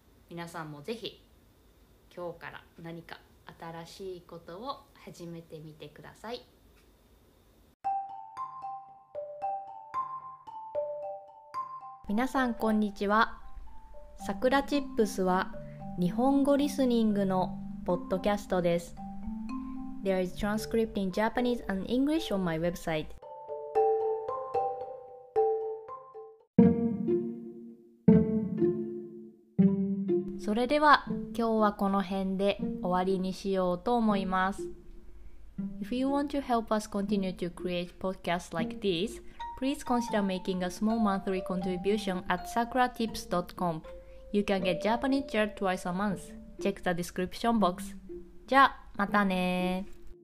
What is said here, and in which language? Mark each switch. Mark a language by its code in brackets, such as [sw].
[ja] 皆さんもぜひ今日から何か新しいことを始めてみてください。皆さんこんにちは。さくらチップスは日本語リスニングのポッドキャストです。 [en] There is transcript in Japanese and English on my website。 [ja] それでは今日はこの辺で終わりにしようと思います。 [en] If you want to help us continue to create podcasts like this, please consider making a small monthly contribution at sakuratips.com. You can get Japanese chat twice a month. Check the description box. [ja] じゃあ、またねー。